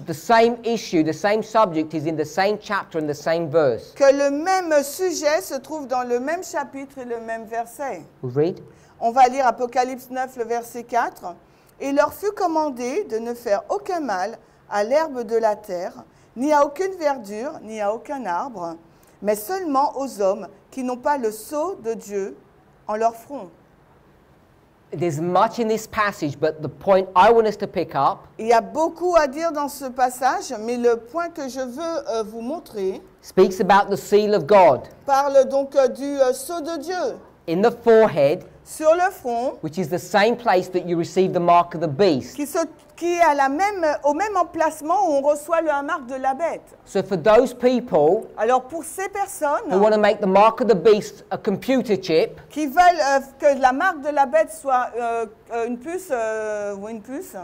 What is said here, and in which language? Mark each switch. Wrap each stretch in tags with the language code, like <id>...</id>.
<en>The same issue, the same subject is in the same chapter and the same verse.</en> <fr>Que le même sujet se trouve dans le même chapitre et le même verset.</fr> <en>We'll read.</en> <fr>On va lire Apocalypse 9, le verset 4. Il leur fut commandé de ne faire aucun mal à l'herbe de la terre, ni à aucune verdure, ni à aucun arbre, mais seulement aux hommes qui n'ont pas le sceau de Dieu en leur front.</fr> <en>There's much in this passage, but the point I want us to pick up.</en> <fr>Il y a beaucoup à dire dans ce passage, mais le point que je veux vous montrer.</fr> <en>Speaks about the seal of God.</en> <fr>Parle donc du sceau de Dieu.</fr> <en>In the forehead.</en> <fr>Sur le front,</fr> <en>which is the same place that you receive the mark of the beast.</en> <fr>Qui est à la même, au même emplacement où on reçoit la marque de la bête.</fr> <en>So for those people,</en> <fr>alors pour ces personnes,</fr> <en>who want to make the mark of the beast a computer chip,</en> <fr>qui veulent que la marque de la bête soit une puce ou une puce,</fr>